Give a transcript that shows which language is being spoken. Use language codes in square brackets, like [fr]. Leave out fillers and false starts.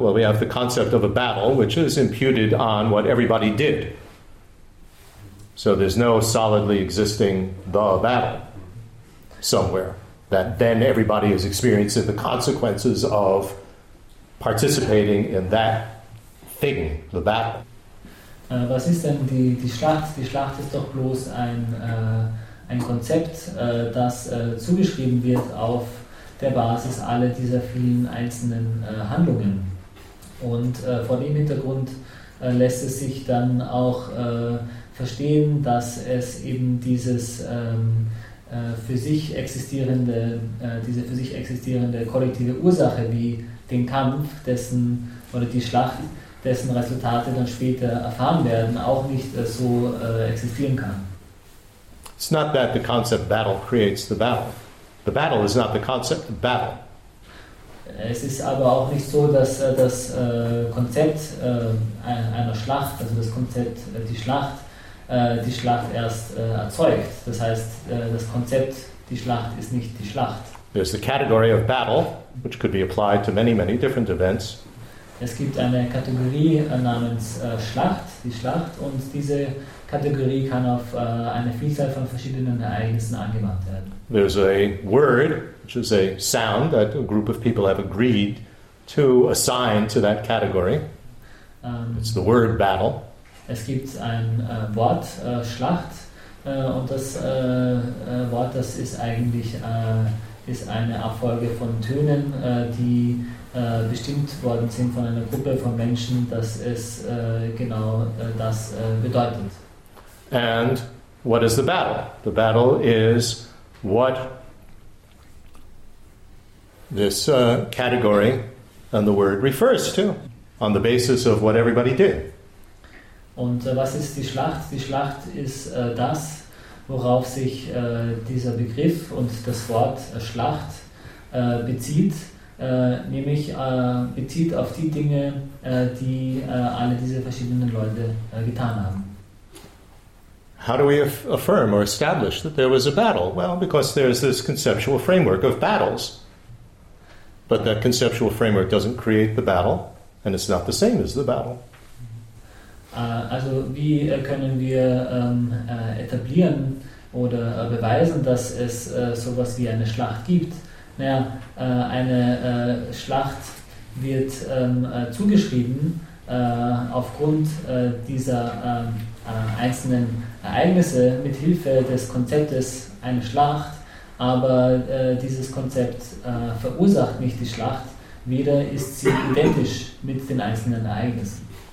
[en] Well, we have the concept of a battle, which is imputed on what everybody did. So there's no solidly existing the battle somewhere that then everybody is experiencing the consequences of participating in that thing, the battle. [de] Was ist denn die, die Schlacht? Die Schlacht ist doch bloß ein Konzept, das zugeschrieben wird auf der Basis aller dieser vielen einzelnen Handlungen. Und vor dem Hintergrund lässt es sich dann auch verstehen, dass es eben dieses für sich existierende, diese für sich existierende kollektive Ursache wie den Kampf, dessen oder die Schlacht, dessen Resultate dann später erfahren werden, auch nicht so existieren kann. [en] It's not that the concept battle creates the battle. The battle is not the concept of battle. [de] Es ist aber auch nicht so, dass das Konzept einer Schlacht, also das Konzept die Schlacht erst erzeugt. Das heißt, das Konzept die Schlacht ist nicht die Schlacht. [en] There's the category of battle, which could be applied to many, many different events. [de] Es gibt eine Kategorie namens Schlacht, die Schlacht, und diese Kategorie kann auf eine Vielzahl von verschiedenen Ereignissen angewandt werden. [en] There's a word, which is a sound that a group of people have agreed to assign to that category. It's the word battle. [de] Es gibt ein Wort, Schlacht, und das Wort, das ist eigentlich ist eine Abfolge von Tönen, die bestimmt worden sind von einer Gruppe von Menschen, dass es genau das bedeutet. [en] And what is the battle? The battle is what this category and the word refers to on the basis of what everybody did. [de] Und was ist die Schlacht? Die Schlacht ist das, worauf sich dieser Begriff und das Wort Schlacht bezieht, nämlich bezieht auf die Dinge, die alle diese verschiedenen Leute getan haben. [en] How do we affirm or establish that there was a battle? Well, because there is this conceptual framework of battles. But that conceptual framework doesn't create the battle, and it's not the same as the battle. [de] Also wie können wir etablieren oder beweisen, dass es sowas wie eine Schlacht gibt? Naja, eine Schlacht wird zugeschrieben aufgrund dieser einzelnen Ereignisse mit Hilfe des Konzeptes eine Schlacht, aber dieses Konzept verursacht nicht die Schlacht, weder ist sie identisch mit den einzelnen Ereignissen.